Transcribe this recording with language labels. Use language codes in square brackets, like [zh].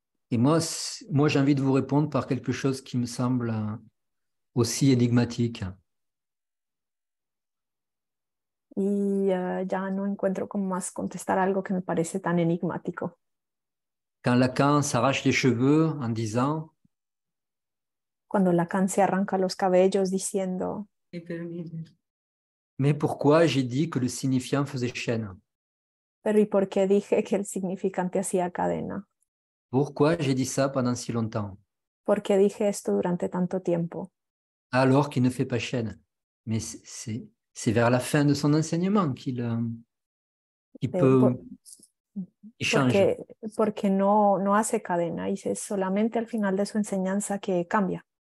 [fr] Et moi, j'ai envie de vous répondre par quelque chose qui me semble aussi énigmatique. [es] Y ya no encuentro como más contestar algo que me parece tan enigmático. [fr] Quand Lacan s'arrache les cheveux en disant. [es] Cuando Lacan se arranca los cabellos diciendo. [fr] Mais pourquoi j'ai dit que le signifiant faisait chaîne? [es] Pero ¿y por qué dije que el significante hacía cadena? [fr] Pourquoi j'ai dit ça pendant si longtemps? [es] ¿Por qué dije esto durante tanto tiempo? [fr] Alors qu'il ne fait pas chaîne. Mais c'est vers la fin de son enseignement qu'il peut changer. [es] Porque no hace cadena y es solamente al final de su enseñanza que cambia.